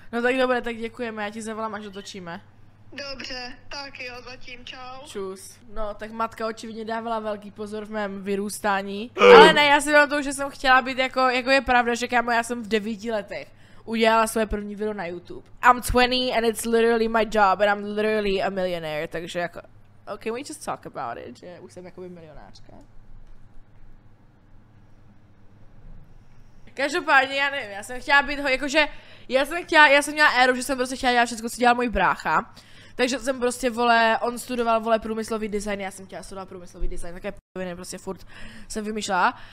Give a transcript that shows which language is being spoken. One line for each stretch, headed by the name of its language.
Czech: No tak dobře, tak děkujeme, já ti zavolám, až dotočíme. Dobře, tak jo, zatím čau. Čus. No, tak matka očividně dávala velký pozor v mém vyrůstání. Ale ne, já si na to, že jsem chtěla být jako je pravda, že kámo, já jsem v 9 letech. Udělala své první video na YouTube.
English: I'm 20 and it's literally my job and I'm literally a millionaire,
Czech: takže jako...
English: Oh, can we just talk about it,
Czech: že už jsem jakoby milionářka. Každopádně, já nevím, já jsem chtěla být ho, jakože... Já jsem měla éru, že jsem prostě chtěla dělat všechno, co dělal můj brácha. Takže jsem prostě, vole, on studoval, vole, průmyslový design, já jsem chtěla studovat průmyslový design, také p***viny, prostě furt jsem vymýšlela.